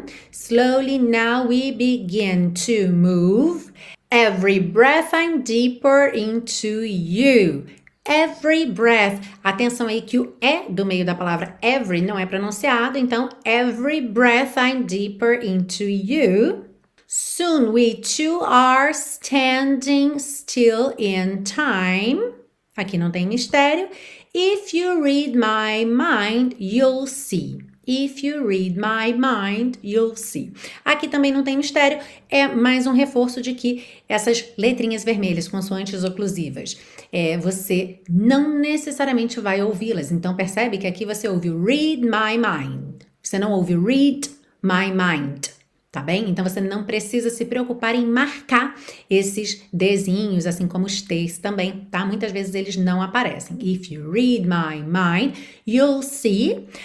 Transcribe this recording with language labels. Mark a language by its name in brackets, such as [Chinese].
[English] Slowly now we begin to move. Every breath I'm deeper into you. Every breath. [Portuguese] Atenção aí que o E do meio da palavra every não é pronunciado. Então, [English] every breath I'm deeper into you. Soon we two are standing still in time. [Portuguese] Aqui não tem mistério. [English] If you read my mind, you'll see. If you read my mind, you'll see. [Portuguese] Aqui também não tem mistério, é mais um reforço de que essas letrinhas vermelhas, consoantes oclusivas, você não necessariamente vai ouvi-las. Então percebe que aqui você ouve [English] read my mind. [Portuguese] Você não ouve read my mind, tá bem? Então você não precisa se preocupar em marcar esses desenhos, assim como os T's também, tá? Muitas vezes eles não aparecem. [English] If you read my mind, you'll see.